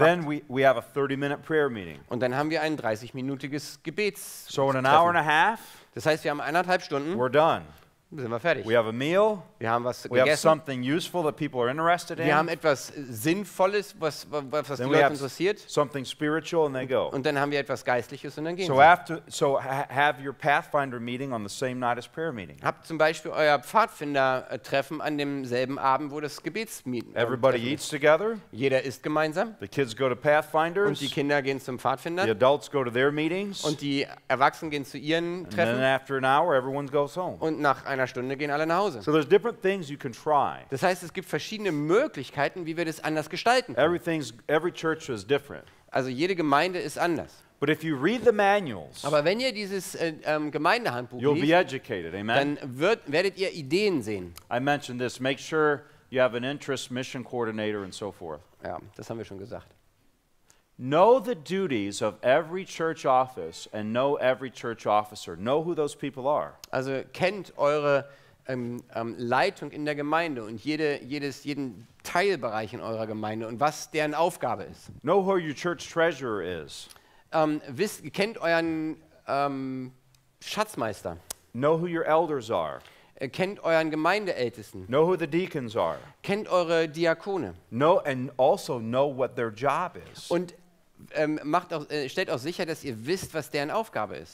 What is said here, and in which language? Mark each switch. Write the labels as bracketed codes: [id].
[en] And then we have a 30-minute prayer meeting. [de] Und dann haben wir ein 30-minütiges Gebets. [en] So in an hour and a half. [de] Das heißt, wir haben eineinhalb Stunden. [en] We're done. [de] Sind wir fertig. [en] We have a meal. [de] Wir haben was gegessen. [en] We have something useful that people are interested in. [de] Wir haben etwas Sinnvolles, was die Leute interessiert. [en] Something spiritual and they go. [de] Und dann haben wir etwas Geistliches und dann gehen wir. [en] So have your Pathfinder meeting on the same night as prayer meeting. [de] Habt zum Beispiel euer Pfadfinder-Treffen an demselben Abend, wo das Gebetsmeeting. [en] Everybody eats together. [de] Jeder isst gemeinsam. [en] The kids go to Pathfinders. [de] Und die Kinder gehen zum Pfadfinder. [en] The adults go to their meetings. [de] Und die Erwachsenen gehen zu ihren Treffen. [en] And then after an hour, everyone goes home. [de] Und nach einer Stunde gehen alle nach Hause. [en] So there's different things you can try. [de] Das heißt, es gibt verschiedene Möglichkeiten, wie wir das anders gestalten können. [en] Every church is different. [de] Also jede Gemeinde ist anders. [en] But if you read the manuals, [de] aber wenn ihr dieses Gemeindehandbuch [en] you'll [de] liest, [en] be educated. Amen. [de] Dann werdet ihr Ideen sehen. [en] I mentioned this. Make sure you have an interest mission coordinator and so forth. [de] Ja, das haben wir schon gesagt. [en] Know the duties of every church office and know every church officer. Know who those people are. [de] Also kennt eure Leitung in der Gemeinde und jeden Teilbereich in eurer Gemeinde und was deren Aufgabe ist. [en] Know who your church treasurer is. [de] Kennt euren Schatzmeister. [en] Know who your elders are. [de] Kennt euren Gemeindeältesten. [en] Know who the deacons are. [de] Kennt eure Diakone. [en] Know and also know what their job is. [de] Und stellt auch sicher, dass ihr wisst, was deren Aufgabe ist.